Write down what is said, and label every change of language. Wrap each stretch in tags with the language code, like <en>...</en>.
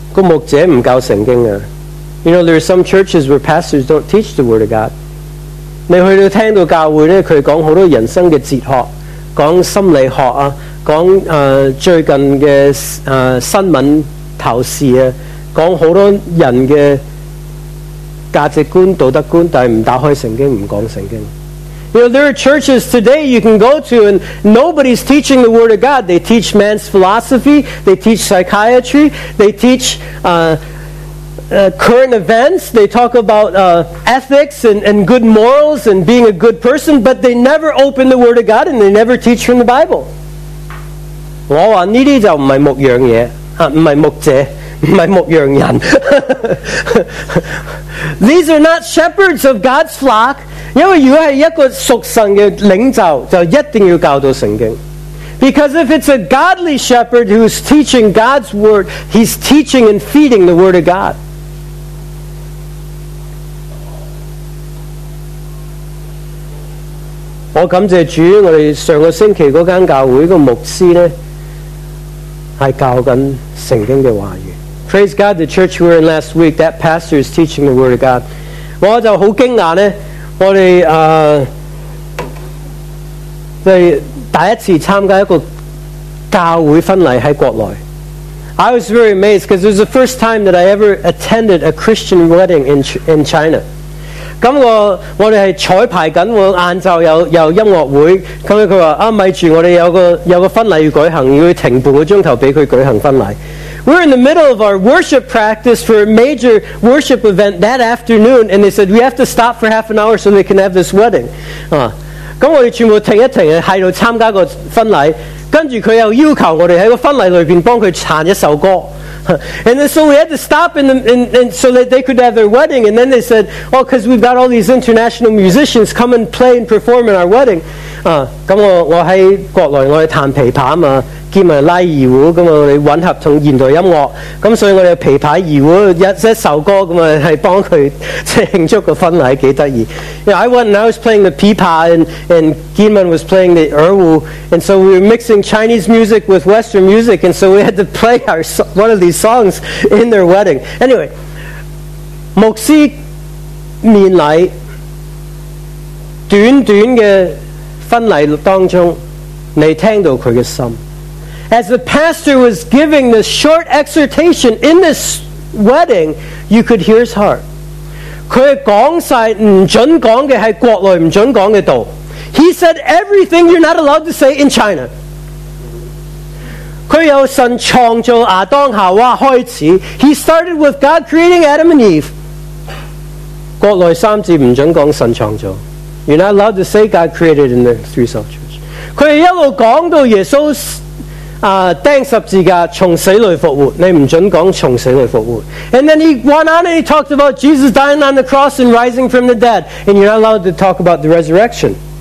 <en>You know, there are some churches where pastors don't teach the word of God.</en> <yue>你去到听到教会咧，佢讲好多人生嘅哲学，讲心理学啊，讲最近嘅新闻头事啊，讲好多人嘅价值观、道德观，但系唔打开圣经，唔讲圣经。</yue> <en>You know, there are churches today you can go to and nobody's teaching the word of God. They teach man's philosophy. They teach psychiatry. They teach current events, they talk about ethics and good morals and being a good person, but they never open the Word of God and they never teach from the Bible.</en> <yue>我说这些就不是牧羊嘢，不是牧者，不是牧羊人。</yue> <en>These are not shepherds of God's flock.</en> <yue>因为如果是一个属神的领袖，就一定要教导圣经。</yue> <en>Because if it's a godly shepherd who's teaching God's Word, he's teaching and feeding the Word of God.</en> <yue>我感謝主，我哋上個星期嗰間教會個牧師咧，係教緊聖經嘅話語。</yue> <en>Praise God, the church we were in last week, that pastor is teaching the Word of God.</en> <yue>我就好驚訝咧，我哋第一次參加一個教會婚禮喺國內。</yue> <en>I was very amazed because it was the first time that I ever attended a Christian wedding in China.</en> <yue>咁我哋係彩排緊，我晏晝有音樂會。咁佢話：啊，咪住，我哋有個婚禮要舉行，要停半個鐘頭俾佢舉行婚禮。</yue> <en>We're in the middle of our worship practice for a major worship event that afternoon, and they said we have to stop for half an hour so they can have this wedding.</en> <yue>啊，咁我哋全部停一停，喺度參加個婚禮。跟住佢又要求我哋喺個婚禮裏邊幫佢彈一首歌。</yue> <en>And then so we had to stop and so that they could have their wedding. And then they said, oh, because we've got all these international musicians, come and play and perform in our wedding.</en> <yue>咁我喺國內，我哋彈琵琶嘛，兼埋拉二胡，咁我哋混合同現代音樂。咁所以我哋琵琶、二胡一首歌，咁啊係幫佢即係慶祝個婚禮，幾得意。</yue> <en>You know, I went and I was playing the pipa and Giman was playing the erwu, and so we were mixing Chinese music with Western music, and so we had to play one of these songs in their wedding.</en> <yue>Anyway, 牧師面禮短短的婚禮當中，你聽到佢嘅心。</yue> <en>As the pastor was giving this short exhortation in this wedding, you could hear his heart.</en> <yue>佢讲晒唔准讲嘅喺国内唔准讲嘅道。</yue> <en>He said everything you're not allowed to say in China.</en> <yue>佢有神创造亚当夏娃开始。</yue> <en>He started with God creating Adam and Eve.</en> <yue>国内三字唔准讲神创造。</yue> <en>You're not allowed to say God created in the three self church.</en> <yue>佢一路讲到耶稣钉十字架从死里复活，你唔准讲从死里复活。</yue> <en>And then he went on and he talked about Jesus dying on the cross and rising from the dead, and you're not allowed to talk about the resurrection.</en>